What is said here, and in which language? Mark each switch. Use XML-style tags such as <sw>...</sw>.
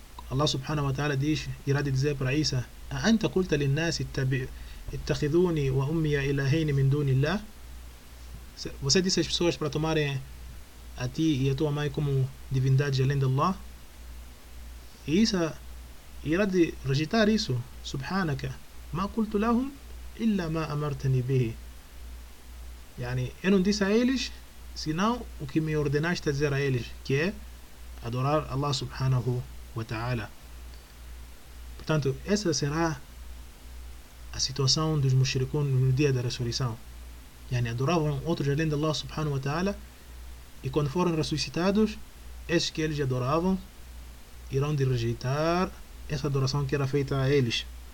<pt>Allah subhanahu wa ta'ala diz, irá de dizer para Isa:</pt> <ar>a anta culta linnasi tabi'u اتخذوني وأمي إلهين من دون الله.</ar> <pt>Você disse às pessoas para tomarem a ti e a tua mãe como divindade além de Allah? E isso irá de rejeitar isso.</pt> <ar>سبحانك ما قلت لهم إلا ما أمرتني به.</ar> <pt>Yani, eu não disse a eles senão o que me ordenaste a dizer a eles, que é adorar Allah subhanahu wa ta'ala. Portanto, essa será a situação dos mushrikun no dia da ressurreição. Yani, adoravam outros além de Allah subhanahu wa ta'ala, e quando foram ressuscitados, esses que eles adoravam irão de rejeitar essa adoração que era feita a eles.</pt>